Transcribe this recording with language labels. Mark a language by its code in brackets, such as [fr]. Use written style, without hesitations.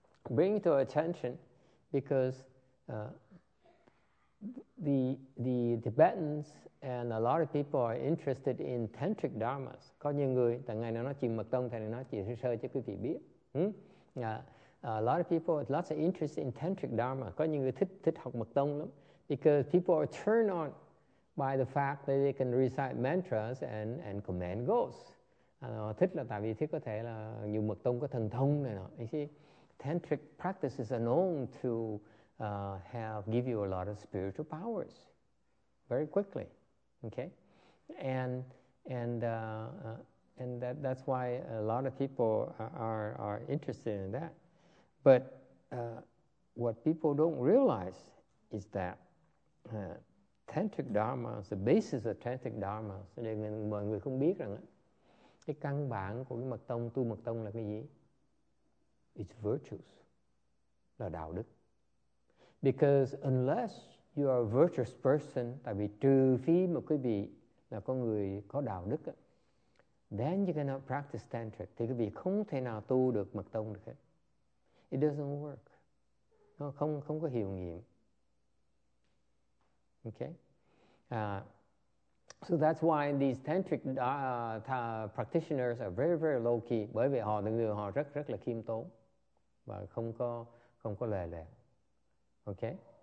[en] Bring to attention, because the Tibetans and a lot of people are interested in tantric dharmas. [vi] Có nhiều người, từ ngày nó nói chuyện mật tông, thầy nói chuyện sơ cho quý vị biết. [en] A lot of people have lots of interest in tantric dharma. [vi] Có những người thích học mật tông lắm, [en] because people are turned on by the fact that they can recite mantras and command ghosts. [vi] Thích là tại vì thích có thể là nhiều mật tông có thần thông này nọ. [en] You see, tantric practices are known to give you a lot of spiritual powers very quickly. Okay, and that's why a lot of people are interested in that. But what people don't realize is that tantric dharma, [vi] the basis of tantric dharma, nên mọi người không biết rằng cái căn bản của cái mật tông, tu mật tông là cái gì? [en] It's virtues, [vi] là đạo đức. [en] Because unless you are a virtuous person, [vi] tại vì trừ phi mà quý vị là con người có đạo đức, [en] then you cannot practice tantric. [vi] Thì quý vị không thể nào tu được mật tông được hết. [en] It doesn't work. [vi] Nó không có hiệu nghiệm. [en] Okay? So that's why these tantric practitioners are very, very low-key. [vi] Bởi vì họ là người họ rất, rất là khiêm tốn. Và không có lè lè. Okay?